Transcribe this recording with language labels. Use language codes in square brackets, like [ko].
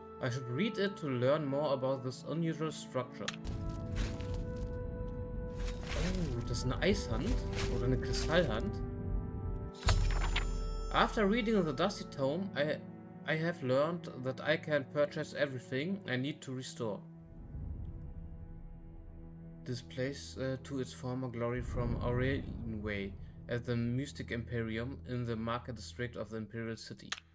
[en] I should read it to learn more about this unusual structure. [de] Oh, das ist eine Eishand oder eine Kristallhand. [en] After reading the dusty tome, I have learned that I can purchase everything I need to restore this place to its former glory from Aurelway at the Mystic Imperium in the Market District of the Imperial City.